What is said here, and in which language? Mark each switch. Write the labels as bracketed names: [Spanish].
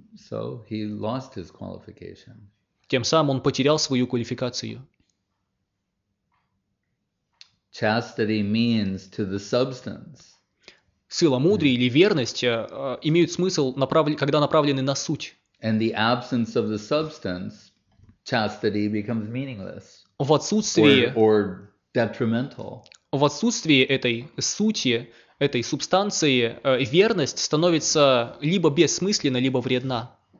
[English] So he lost his qualification. [Russian] Тем самым он потерял свою квалификацию. [English] Chastity means to the substance. [Russian] Целомудрие или верность имеют смысл, когда направлены на суть. [English] And the absence of the substance, chastity becomes meaningless. [Russian] В отсутствии [English] or detrimental. [Russian] В отсутствии этой сути, этой субстанции, верность становится либо бессмысленна, либо вредна.